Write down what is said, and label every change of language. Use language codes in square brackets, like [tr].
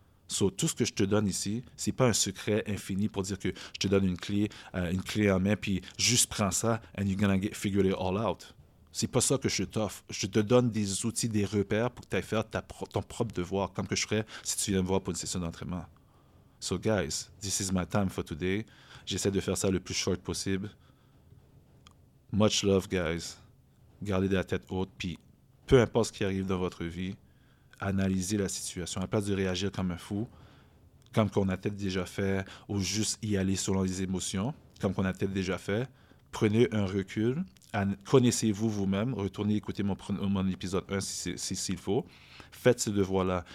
[fr] So, tout ce que je te donne ici, ce n'est pas un secret infini pour dire que je te donne une clé en main, puis juste prends ça [en] and you're going to figure it all out. [fr] Ce n'est pas ça que je t'offre. Je te donne des outils, des repères pour que tu ailles faire ton propre devoir, comme que je ferais si tu viens me voir pour une session d'entraînement. [en] So guys, this is my time for today. [fr] J'essaie de faire ça le plus short possible. [en] Much love, guys. [fr] Gardez la tête haute, puis peu importe ce qui arrive dans votre vie, analysez la situation. À la place de réagir comme un fou, comme qu'on a peut-être déjà fait, ou juste y aller selon les émotions, comme qu'on a peut-être déjà fait, prenez un recul, connaissez-vous vous-même, retournez écouter mon épisode 1 s'il faut. Faites ce devoir-là.